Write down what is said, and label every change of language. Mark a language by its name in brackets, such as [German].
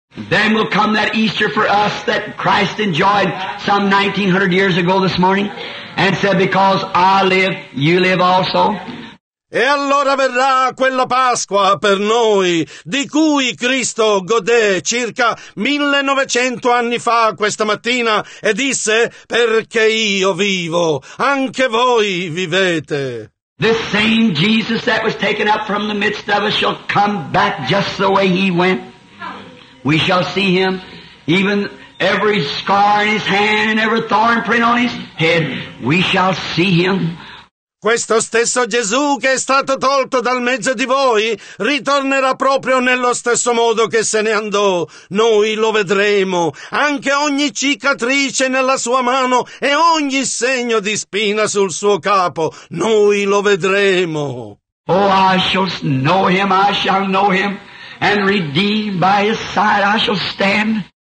[English] Then will come that Easter for us that Christ enjoyed some 1900 years ago this morning and said, because I live, you live also. [Italian] E allora verrà quella Pasqua per noi, di cui Cristo godè circa 1900 anni fa questa mattina e disse, perché io vivo, anche voi vivete. [English] The same Jesus that was taken up from the midst of us shall come back just the way he went. We shall see him, even every scar in his hand and every thorn print on his head, we shall see him. [Italian] Questo stesso Gesù che è stato tolto dal mezzo di voi ritornerà proprio nello stesso modo che se ne andò. Noi lo vedremo, anche ogni cicatrice nella sua mano e ogni segno di spina sul suo capo. Noi lo vedremo. [English] Oh, I shall know him, and redeemed by his side I shall stand.